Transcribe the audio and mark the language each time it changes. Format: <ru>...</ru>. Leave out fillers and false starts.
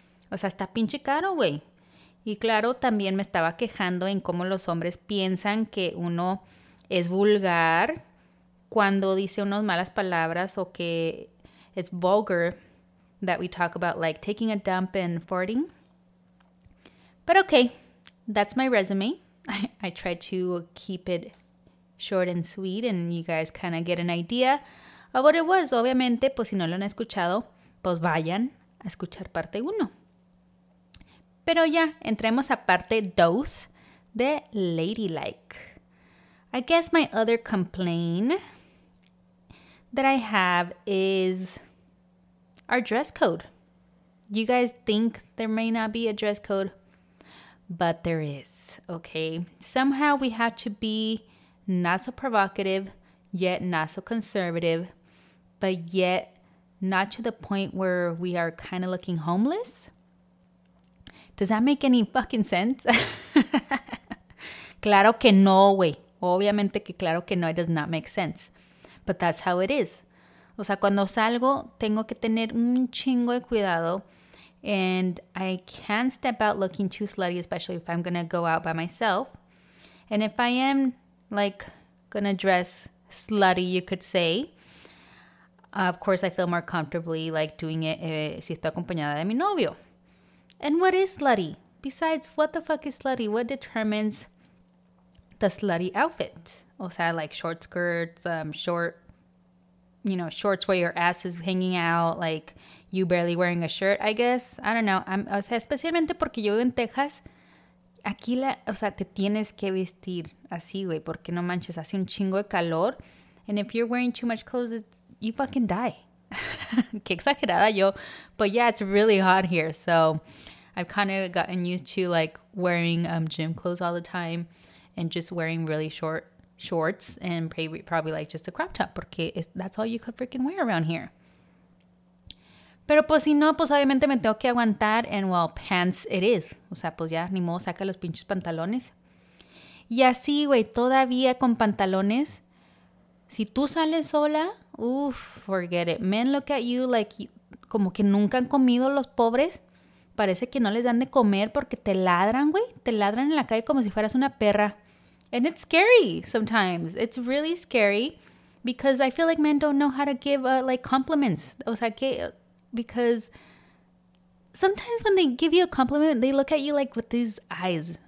<es>O sea, está pinche caro, güey. Y claro, también me estaba quejando en cómo los hombres piensan que uno es vulgar cuando dice unas malas palabras o que</es> <en>it's vulgar that we talk about like taking a dump and farting. But okay, that's my resume. I try to keep it short and sweet and you guys kind of get an idea of what it was.</en> <es>Obviamente, pues si no lo han escuchado, pues vayan a escuchar parte uno. Pero ya, entremos a parte dos de Ladylike.</es> <en>I guess my other complaint that I have is our dress code. You guys think there may not be a dress code, but there is, okay? Somehow we have to be not so provocative, yet not so conservative, but yet not to the point where we are kind of looking homeless. Does that make any fucking sense?</en> <es>Claro que no, güey. Obviamente que claro que no,</es> <en>it does not make sense. But that's how it is.</en> <es>O sea, cuando salgo, tengo que tener un chingo de cuidado.</es> <en>And I can't step out looking too slutty, especially if I'm going to go out by myself. And if I am, like, going to dress slutty, you could say. Of course, I feel more comfortably, like, doing it</en> <es>si estoy acompañada de mi novio.</es> <en>And what is slutty? Besides, what the fuck is slutty? What determines the slutty outfit?</en> <es>O sea,</es> <en>like short skirts, shorts where your ass is hanging out, like you barely wearing a shirt, I guess. I don't know.</en> <es>O sea, especialmente porque yo vivo en Texas, aquí te tienes que vestir así, güey, porque no manches, hace un chingo de calor.</es> <en>And if you're wearing too much clothes, you fucking die.</en> <es>Qué exagerada yo.</es> <en>But yeah, it's really hot here. So I've kind of gotten used to like wearing gym clothes all the time and just wearing really short shorts and probably like just a crop top</en> <es>porque</es> <en>that's all you could freaking wear around here.</en> <es>Pero pues si no, pues obviamente me tengo que aguantar</es> <en>and well, pants it is.</en> <es>O sea, pues ya, ni modo, saca los pinches pantalones. Y así, güey, todavía con pantalones. Si tú sales sola,</es> <en>forget it. Men look at you like,</en> <es>como que nunca han comido los pobres. Parece que no les dan de comer porque te ladran, güey. Te ladran en la calle como si fueras una perra.</es> <en>And it's scary sometimes. It's really scary because I feel like men don't know how to give, compliments.</en> <es>O sea, que,</es> <en>because sometimes when they give you a compliment, they look at you, like, with these eyes.</en>